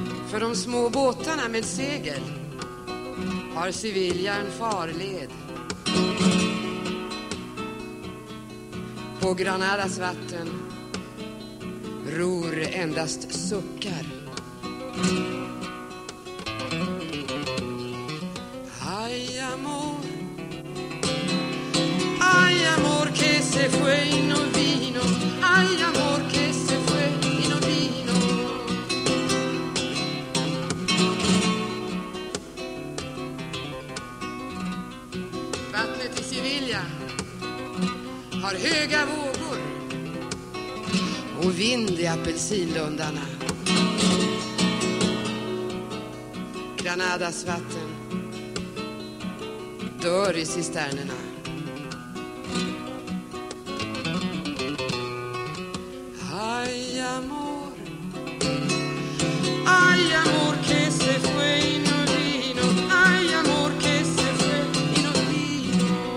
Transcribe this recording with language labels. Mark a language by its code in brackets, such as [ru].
[sv] För de små båtarna med segel har Sevilla en farled. På Granadas vatten ror endast suckar. [es] Ay amor, ay amor que se fue y no vino. Ay amor que se fue y no vino. [sv] Vattnet i Sevilla har höga vågor och vind i apelsinlundarna. Granadas vatten dör i cisternerna. [es] Ay amor, ay amor que se fue y no vino. Ay amor que se fue y no vino.